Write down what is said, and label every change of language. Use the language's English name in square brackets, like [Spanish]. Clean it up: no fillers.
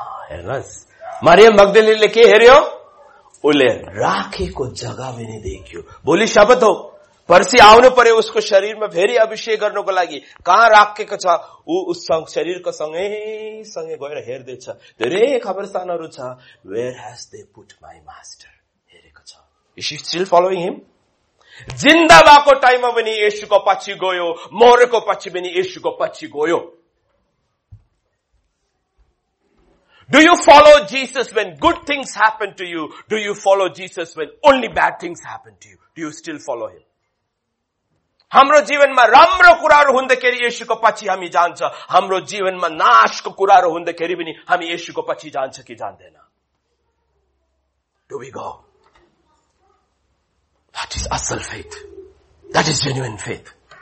[Nepali] हेर्नुहोस् मरियम मग्दलिनीले के हेर्यो उसले राखेको जग्गा पनि देख्यो भोलि शपथ हो पर्सी आउनु पर्यो उसको शरीरमा फेरि अभिषेक गर्नुको लागि कहाँ राखेको छ ऊ उस शरीरको सँगै गएर हेर्दैछ धेरै खबरस्थानहरू छ [English] where has they put my master [Nepali] हेरेको छ [English] is she still following him [Nepali] जिन्दा भएको टाइममा पनि येशूको पछि गयो मरेको पछि पनि येशूको पछि गयो [English] Do you follow Jesus when good things happen to you? Do you follow Jesus when only bad things happen to you? Do you still follow him? [Nepali] हाम्रो जीवनमा राम्रो कुराहरू हुँदाखेरि येशूको पछि हामी जान्छ हाम्रो जीवनमा नाशको कुराहरू हुँदाखेरि पनि हामी येशूको पछि जान्छ कि जान्दैन [English] Do we go? That is asal faith. That is genuine faith.